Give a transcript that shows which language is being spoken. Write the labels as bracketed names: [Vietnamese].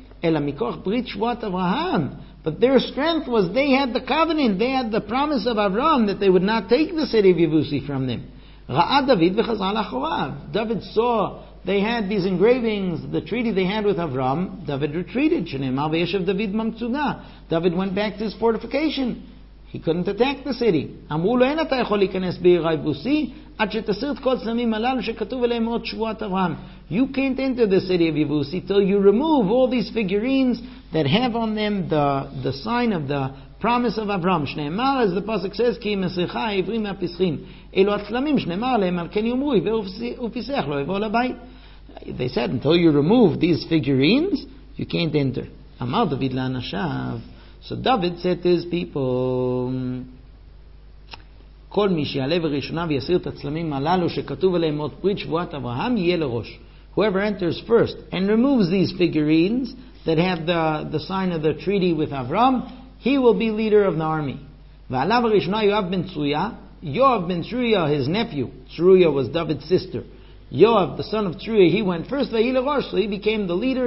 [Hebrew] אלא מכוח ברית שבועת אברהם, [English] but their strength was, they had the covenant, they had the promise of Abraham, that they would not take the city of Yevusi from them. [Hebrew] ראה דוד וחזר לאחוריו. [English] David saw they had these engravings, the treaty they had with Avram. David retreated. [Hebrew] שנאמר וישב דוד במצודה. [English] David went back to his fortification. He couldn't attack the city. [Hebrew] אמרו לו, אין אתה יכול להיכנס בעיר היבוסי עד שתסיר את כל צלמים הללו שכתוב עליהם עוד שבועת אברהם. [English] You can't enter the city of Yevusi till you remove all these figurines that have on them the sign of the promise of Avram. [Hebrew] שנאמר, [English] as the pasuk says, [Hebrew] כי מסריחה העברים והפסחים. אלו הצלמים שנאמר עליהם, על כן יאמרו, עבר ופסח לא יבוא לבית. [English] They said, until you remove these figurines, you can't enter. [Hebrew] אמר דוד לאנשיו. [English] So David said to his people, [Hebrew] כל מי שיעלה בראשונה ויסיר את הצלמים הללו שכתוב עליהם עוד ברית שבועת אברהם, יהיה לראש. [English] Whoever enters first and removes these figurines that have the sign of the treaty with Avram, he will be leader of the army. [Hebrew] ועליו הראשונה יואב בן צרויה, [English] Yoav ben Tzruya, his nephew. Tzruya was David's sister. Yoav, the son of Tzruiah, he went first. Vayilagosh, so he became the leader.